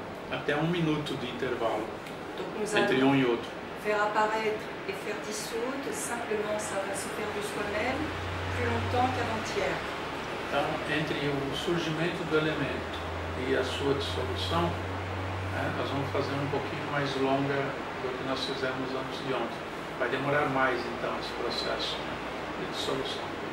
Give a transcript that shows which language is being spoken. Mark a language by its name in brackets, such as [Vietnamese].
[Portuguese] Até um minuto de intervalo, entre um e outro. [French] Faire apparaître et faire dissoudre, simplement ça va se faire de soi-même plus longtemps qu'avant-hier. [Portuguese] Então, entre o surgimento do elemento e a sua dissolução, né, nós vamos fazer um pouquinho mais longa do que nós fizemos antes de ontem. Vai demorar mais, então, esse processo, né, de dissolução.